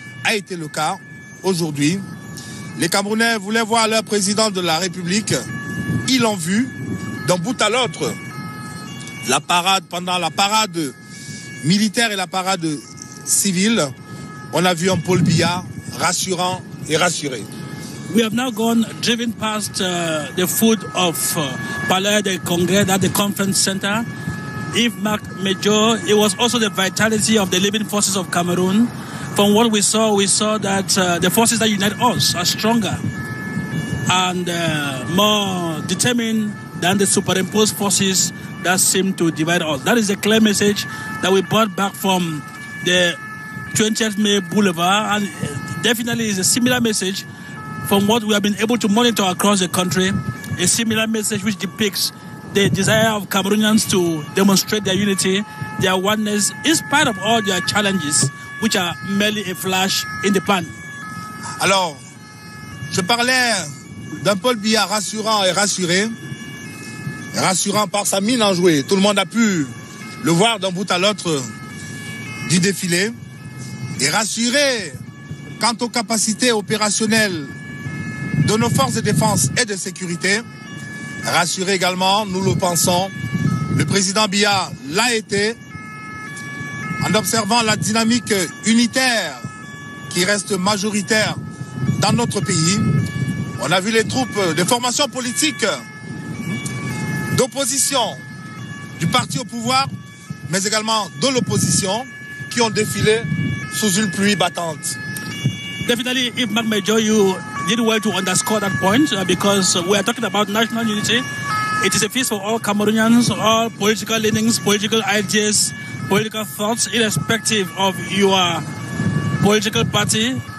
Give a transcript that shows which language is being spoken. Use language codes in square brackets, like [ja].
[fr] a été le cas aujourd'hui. Les Camerounais voulaient voir leur président de la République. Ils l'ont vu d'un bout à l'autre. La parade, pendant la parade militaire et la parade civile, on a vu un Paul Biya rassurant et rassuré. [en] We have now gone, driven past the foot of Palais de Congrès at the conference center. Yves Marc Major, it was also the vitality of the living forces of Cameroon. From what we saw that the forces that unite us are stronger and more determined than the superimposed forces that seem to divide us. That is a clear message that we brought back from the 20th May Boulevard, and definitely is a similar message from what we have been able to monitor across the country, a similar message which depicts the desire of Cameroonians to demonstrate their unity, their oneness, in spite of all their challenges, which are merely a flash in the pan. [fr] Alors, je parlais d'un Paul Biya rassurant et rassuré, rassurant par sa mine enjouée. Tout le monde a pu le voir d'un bout à l'autre du défilé. Et rassuré quant aux capacités opérationnelles de nos forces de défense et de sécurité. Rassuré également, nous le pensons, le président Biya l'a été en observant la dynamique unitaire qui reste majoritaire dans notre pays. On a vu les troupes de formations politiques d'opposition du parti au pouvoir, mais également de l'opposition qui ont défilé sous une pluie battante. [en] Definitely, Yves Marc Major, you did well to underscore that point because we are talking about national unity. It is a feast for all Cameroonians, all political leanings, political ideas, political thoughts, irrespective of your political party.